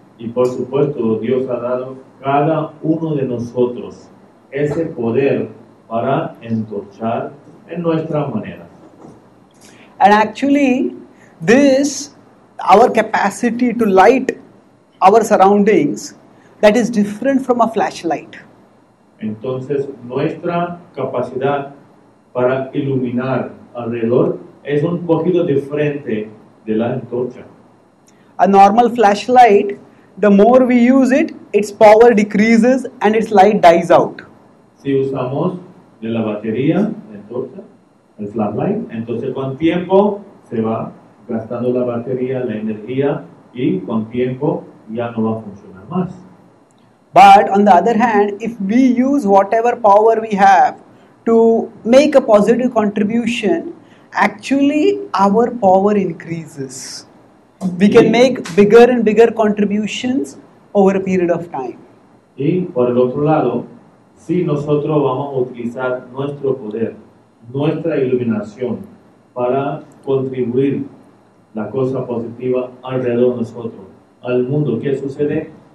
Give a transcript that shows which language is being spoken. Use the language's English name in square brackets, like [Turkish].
[Spanish] Y por supuesto, Dios ha dado cada uno de nosotros ese poder para entorchar en nuestra manera. [English] And actually, this, our capacity to light our surroundings, that is different from a flashlight. [Spanish] Entonces, nuestra capacidad para iluminar alrededor es un poquito diferente de la antorcha. [English] A normal flashlight, the more we use it, its power decreases and its light dies out. [Spanish] Si usamos de la batería, la antorcha, el flashlight, entonces con tiempo se va gastando la batería, la energía, y con tiempo ya no va a funcionar más. [English] But on the other hand, if we use whatever power we have to make a positive contribution, actually our power increases. We can make bigger and bigger contributions over a period of time. [Spanish] Y por el otro lado, si nosotros vamos a utilizar nuestro poder, nuestra iluminación para contribuir la cosa positiva alrededor de nosotros, al mundo, ¿qué sucede?